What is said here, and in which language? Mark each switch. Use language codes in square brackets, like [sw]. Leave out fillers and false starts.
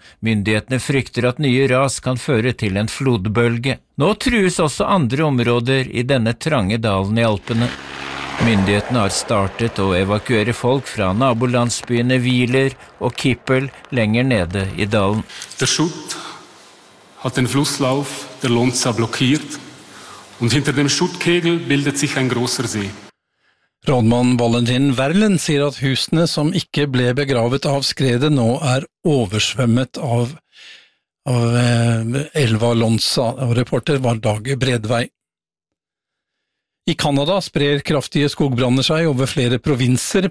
[no] Myndighetene frykter at nye ras kan føre til en flodbølge. Nå trues også andre områder i denne trange dalen i Alpene. Myndighetene har startet å evakuere folk fra nabolandsbyene Hviler og Kippel lenger nede i dalen. [de] Der Schutt hat den Flusslauf der Lonza blockiert und hinter dem Schuttkegel bildet sich ein großer See. [no] Rådmann Valentin Werlen sier at husene som ikke ble begravet av skredet nå er oversvømmet av elva Lonza, og reporter var Dag Bredvei. I Kanada sprer kraftige skogbranner seg over flere provinser.